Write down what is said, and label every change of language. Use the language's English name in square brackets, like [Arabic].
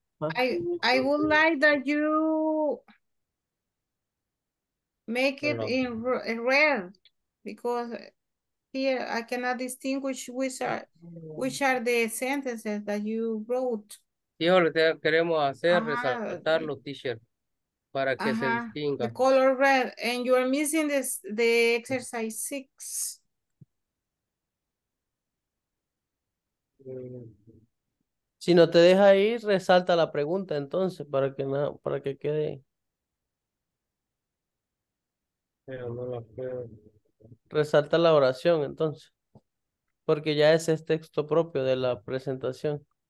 [English] I would like that you make it in red because here I cannot distinguish which are the sentences that you wrote. [Spanish] Sí, lo queremos hacer, resaltar los t-shirts. Para que se distinga. [English] The color red, and you are missing this the exercise 6. [Spanish] Si no te deja ahí, resalta la pregunta entonces para que quede. Pero no la puedo. Resalta la oración entonces, porque ya ese es texto propio de la presentación.